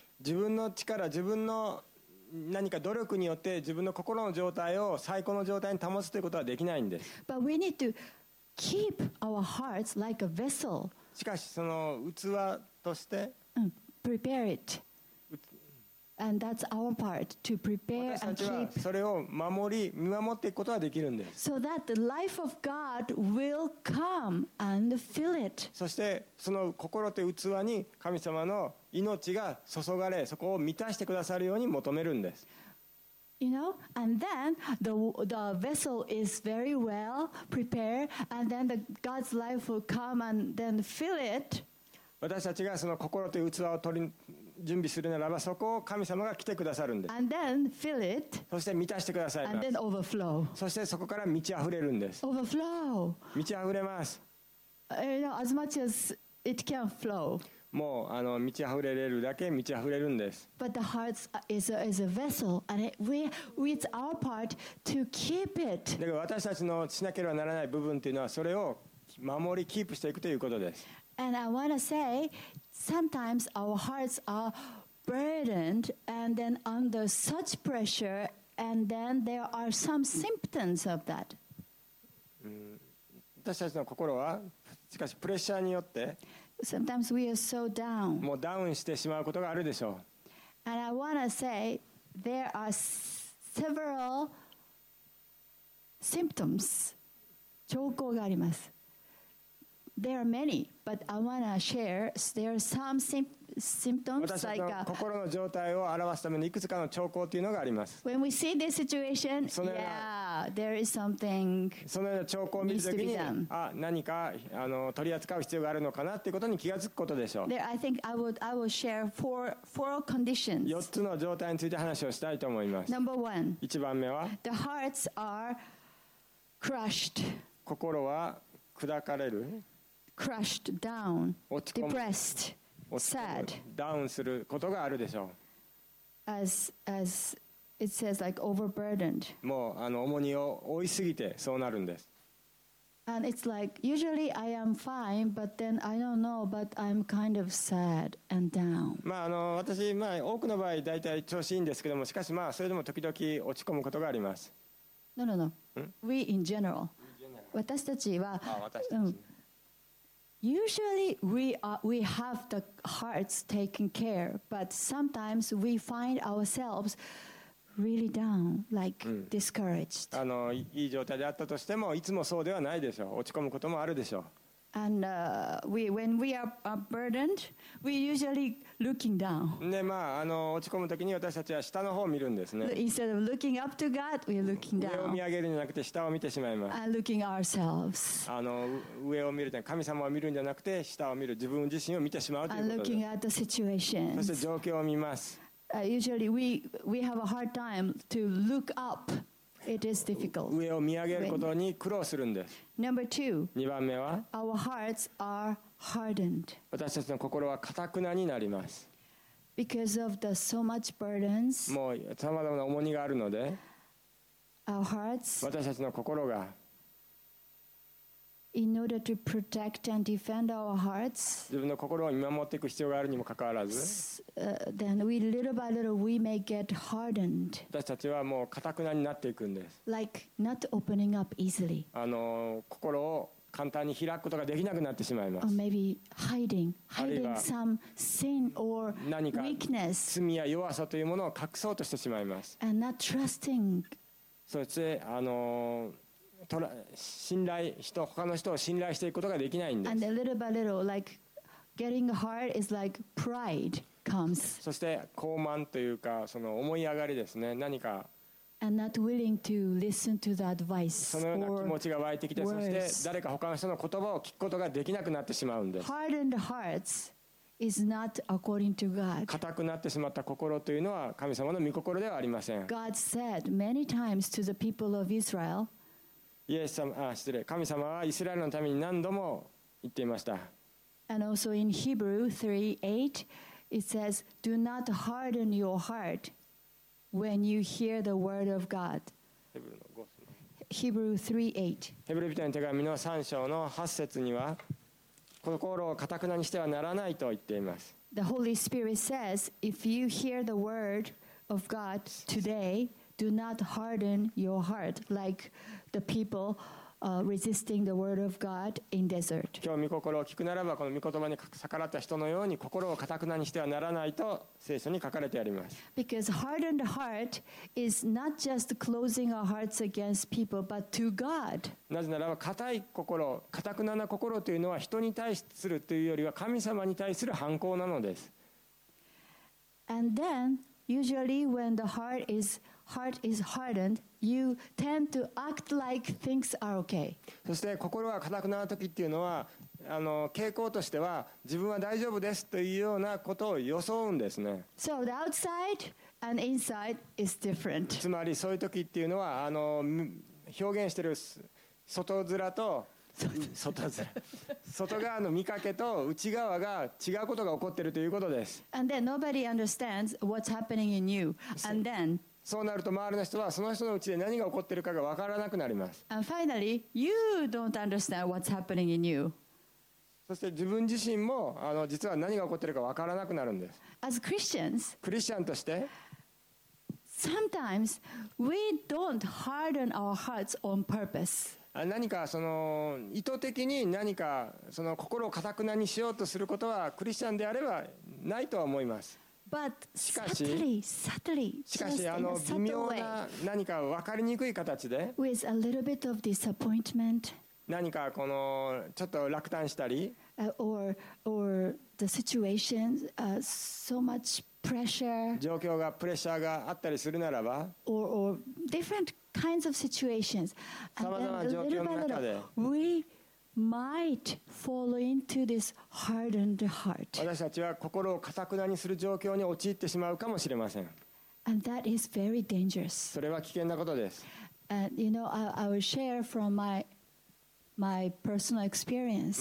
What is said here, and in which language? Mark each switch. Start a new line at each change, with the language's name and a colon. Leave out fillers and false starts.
Japanese: 自分の力、自分の何か努力によって自分の心の状態を最高の状態に保つということはできないんです。
English: But we need to keep our hearts like a vessel.
Japanese: しかしその器として、
English: prepare it. And that's our part to prepare and keep.
Japanese: 私たちはそれを守り見守っていくことができるんです。
English: So that the life of God will come and fill it.
Japanese: そしてその心という器に神様の命が注がれ、そこを満たしてくださるように求めるんです。
English: You know, and then the vessel is very well prepared, and then the God's life will come and then fill it.
Japanese: 私たちがその心という器を取り準備するならば、そこを神様が来てくださるんです。
English: And then fill it.
Japanese: そして満たしてくださいます。
English: And then overflow.
Japanese: そしてそこから満ち溢れるんです。
English: Overflow.
Japanese: 満ち溢れます。
English: You know, as much as it can flow.
Japanese: もうあの満ち溢れれるだけ満ち溢れるんです。
English: But the heart is a vessel, and it's our part to keep it.
Japanese: だから私たちのしなければならない部分というのはそれを守りキープしていくということです。
English: And I want to say, sometimes our hearts are burdened and then under such pressure, and then there are some symptoms of that.
Japanese: 私たちの心はしかしプレッシャーによって。
English: Sometimes we are so down.
Japanese: もうダウンしてしまうことがあるでしょう。
English: And I want to say there are several symptoms.
Japanese: 兆候があります。
English: There are many, but I want to share there are some symptoms like
Japanese: 私の心の状態を表すためのいくつかの兆候というのがあります。
English: When we see this situation, yeah, there is something
Japanese: そのような兆候を見るときに、あ、何か取り扱う必要があるのかなということに気がつくことでしょう。
English: There, I think I will share four conditions.
Japanese: 4つの状態について話をしたいと思います。
English: Number one.
Japanese: 一番目は
English: The hearts are crushed.
Japanese: 心は砕かれる。
English: Crushed down.
Japanese: 落ち込む。
English: Depressed. Sad.
Japanese: ダウンすることがあるでしょう。
English: As it says, like overburdened.
Japanese: もう重荷を負いすぎてそうなるんです。
English: And it's like usually I am fine, but then I don't know, but I'm kind of sad and down.
Japanese: まあ私多くの場合大体調子いいんですけども、しかしそれでも時々落ち込むことがあります。
English: No. We in general.
Japanese: 私たちは。
English: Usually we have the hearts taken care, but sometimes we find ourselves really down, like discouraged.
Japanese: あの、いい状態であったとしても、いつもそうではないでしょう。落ち込むこともあるでしょう。
English: And when we are burdened, we usually looking down.
Japanese: ね、まあ、あの、落ち込むときに私たちは下の方を見るんですね。
English: Instead of looking up to God, we looking down.
Japanese: 上を見上げるんじゃなくて下を見てしまいます。
English: And looking ourselves.
Japanese: あの、上を見るじゃなくて神様を見るんじゃなくて下を見る自分自身を見てしまうということで。
English: And looking at the situation.
Japanese: そして状況を見ます。
English: Usually we have a hard time to look up. It is difficult.
Japanese: 上を見上げることに苦労するんです。
English: Number two.
Japanese: 二番目は。
English: Our hearts are hardened.
Japanese: 私たちの心は固くなになります。
English: Because of the so much burdens.
Japanese: もうさまざまな重荷があるので。
English: Our hearts.
Japanese: 私たちの心が。
English: In order to protect and defend our hearts,
Japanese: 自分の心を見守っていく必要があるにもかかわらず、
English: then we little by little we may get hardened.
Japanese: 私たちはもう固くなになっていくんです。
English: Like not opening up easily.
Japanese: あの、心を簡単に開くことができなくなってしまいます。
English: Or maybe hiding some sin or weakness.
Japanese: 罪や弱さというものを隠そうとしてしまいます。
English: And not trusting.
Japanese: そしてあの。信頼人他の人を信頼していくことができないんです。
English: And a little by little, like getting hard is like pride comes.
Japanese: そして傲慢というかその思い上がりですね。何か。
English: And not willing to listen to the advice.
Japanese: そのような気持ちが湧いてきて、そして誰か他の人の言葉を聞くことができなくなってしまうんです。
English: Hardened hearts is not according to God.
Japanese: 固くなってしまった心というのは神様の御心ではありません。
English: God said many times to the people of Israel.
Japanese: イエス様、あ、失礼。神様はイスラエルのために何度も言っていました。
English: And also in Hebrew 3:8, it says, "Do not harden your heart when you hear the word of God." Hebrew 3:8.
Japanese: ヘブル人への手紙の3章の8節には、心を固くなにしてはならないと言っています。
English: The Holy Spirit says, "If you hear the word of God today," do not harden your heart like the people resisting the word of God in desert.
Japanese: 今日御心を聞くならばこの御言葉に逆らった人のように心を固くなにしてはならないと聖書に書かれてあります。
English: Because hardened heart is not just closing our hearts against people, but to God.
Japanese: なぜならば固い心、固くなな心というのは人に対するというよりは神様に対する反抗なのです。
English: And then usually when the heart is hardened, you tend to act like things are okay.
Japanese: そして心が固くなった時っていうのは、あの傾向としては自分は大丈夫ですというようなことを装うんですね。
English: So the outside and inside is different.
Japanese: つまりそういう時っていうのは、あの表現している外面と外側の見かけと内側が違うことが起こっているということです。
English: And then nobody understands what's happening in you. And then
Japanese: そうなると周りの人はその人のうちで何が起こっているかが分からなくなります。
English: And finally, you don't understand what's happening in you.
Japanese: そして自分自身もあの実は何が起こっているか分からなくなるんです。
English: As Christians,
Japanese: クリスチャンとして、
English: Sometimes we don't harden our hearts on purpose.
Japanese: 何かその意図的に何かその心を固くなにしようとすることはクリスチャンであればないとは思います。
English: But subtly,
Japanese: しかし、あの微妙な何か分かりにくい形で、
English: with a little bit of disappointment,
Japanese: 何かこのちょっと落胆したり、
English: or the situation, so much pressure,
Japanese: 状況がプレッシャーがあったりするならば、
English: or different kinds of situations,
Japanese: さまざまな状況の中で、
English: we might fall into this hardened heart.
Japanese: 私たちは心を固くなにする状況に陥ってしまうかもしれません。
English: And that is very dangerous.
Japanese: それは危険なことです。
English: And you know, I will share from my personal experience.